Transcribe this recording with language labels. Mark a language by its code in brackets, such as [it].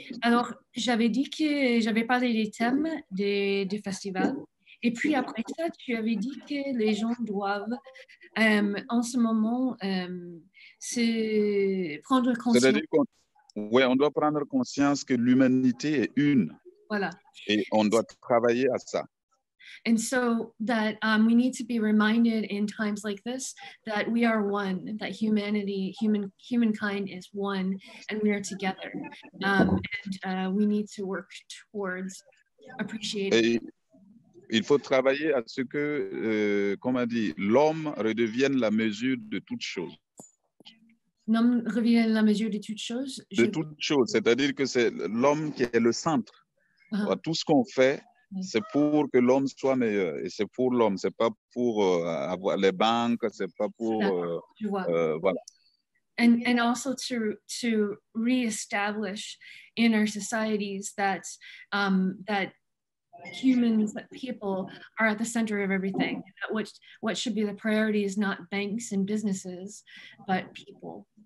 [fr] Alors, j'avais dit que j'avais parlé des thèmes des festivals. Et puis après ça, tu avais dit que les gens doivent, en ce moment, se prendre conscience. C'est-à-dire qu'on, ouais, on doit prendre conscience que l'humanité est une. Voilà. Et on doit travailler à ça. [en] And so that we need to be reminded in times like this that we are one, that humankind is one, and we are together. We need to work towards appreciating. Et [fr] il faut travailler à ce que, comme on dit, l'homme redevienne la mesure de toutes choses. L'homme revient la mesure de toutes choses. De toutes choses, c'est-à-dire que c'est l'homme qui est le centre. Uh-huh. Tout ce qu'on fait, c'est pour que l'homme soit meilleur et c'est pour l'homme, c'est pas pour avoir les banques, c'est pas pour voilà. [en] And also to reestablish in our societies that that humans, that people are at the center of everything. That what should be the priority is not banks and businesses, but people.